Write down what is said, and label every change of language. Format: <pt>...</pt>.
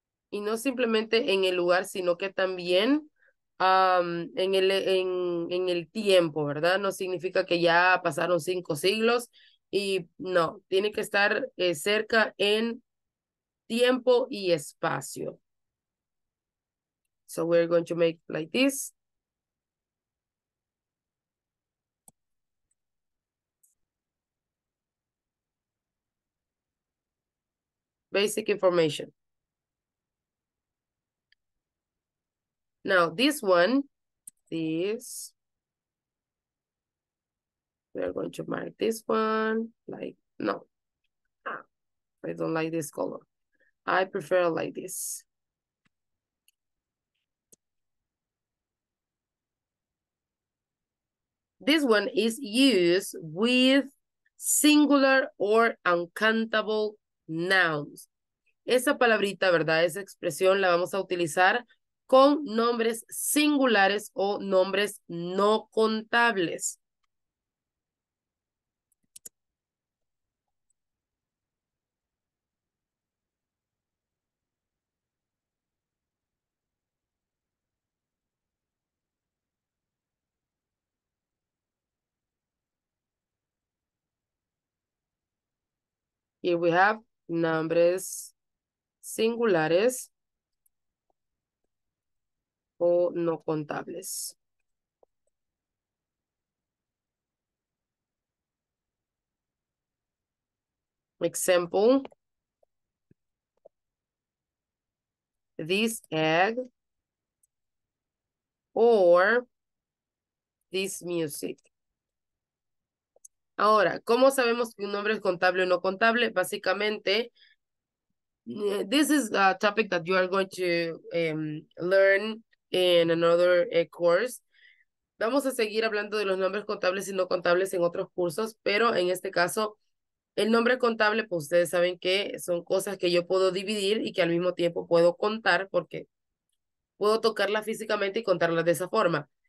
<es>Y no simplemente en el lugar, sino que también en el tiempo, ¿verdad? No significa que ya pasaron 5 siglos y no, tiene que estar cerca en tiempo y espacio.</es> <en>So we're going to make it like this. Basic information. Now, this one, this, we are going to mark this one, like, no, I don't like this color. I prefer like this. This one is used with singular or uncountable nouns.</en> <es>Esa palabrita, ¿verdad? Esa expresión la vamos a utilizar con nombres singulares o nombres no contables.</es> <en>Here we have</en> <es>nombres singulares o no contables.</es> <en>Example, this egg or this music.</en> <es>Ahora, ¿cómo sabemos que un nombre es contable o no contable? Básicamente,</es> <en>this is a topic that you are going to learn in another course.</en> <es>Vamos a seguir hablando de los nombres contables y no contables en otros cursos, pero en este caso, el nombre contable, pues ustedes saben que son cosas que yo puedo dividir y que al mismo tiempo puedo contar porque puedo tocarlas físicamente y contarlas de esa forma.</es>